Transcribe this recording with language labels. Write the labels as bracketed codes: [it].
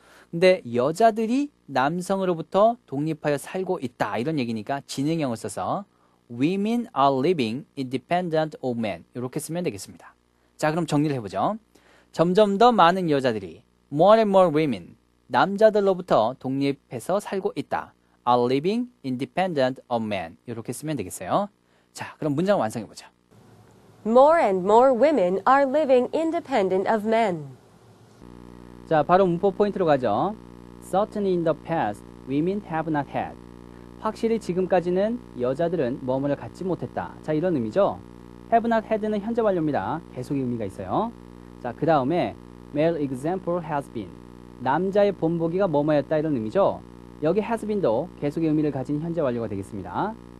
[ko] 근데 여자들이 남성으로부터 독립하여 살고 있다 이런 얘기니까 진행형을 써서 [en] women are living independent of men [ko] 이렇게 쓰면 되겠습니다. 자, 그럼 정리를 해보죠. 점점 더 많은 여자들이 [en] more and more women [ko] 남자들로부터 독립해서 살고 있다 [en] are living independent of men [ko] 이렇게 쓰면 되겠어요. 자, 그럼 문장 완성해보죠. [en] More and more women are living independent of men. [ko] 자, 바로 문법 포인트로 가죠. [en] Certainly in the past, women have not had. [ko] 확실히 지금까지는 여자들은 뭐뭐를 갖지 못했다. 자, 이런 의미죠. Have not had는 현재 완료입니다. 계속의 의미가 있어요. 자, 그 다음에 [en] male example has been. [ko] 남자의 본보기가 뭐뭐였다. 이런 의미죠. 여기 has been도 계속의 의미를 가진 현재 완료가 되겠습니다.